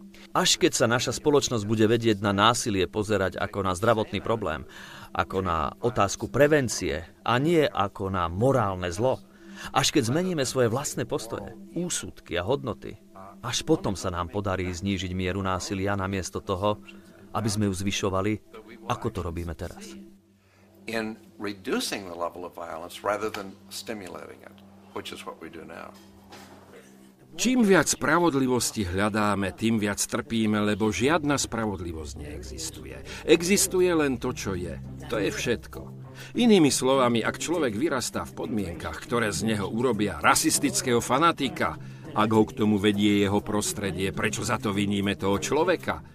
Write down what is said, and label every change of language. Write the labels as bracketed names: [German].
[Slovak] Až keď sa naša spoločnosť bude vedieť na násilie pozerať ako na zdravotný problém, ako na otázku prevencie a nie ako na morálne zlo, až keď zmeníme svoje vlastné postoje, úsudky a hodnoty, až potom sa nám podarí znížiť mieru násilia namiesto toho, aby sme ju zvyšovali, ako to robíme teraz. [English] In reducing the level of violence rather than stimulating it, which is what we do now. [Slovak] Čím viac spravodlivosti hľadáme, tým viac trpíme, lebo žiadna spravodlivosť neexistuje. Existuje len to, čo je. To je všetko. Inými slovami, ak človek vyrastá v podmienkach, ktoré z neho urobia rasistického fanatika, ak ho k tomu vedie jeho prostredie, prečo za to viníme toho človeka?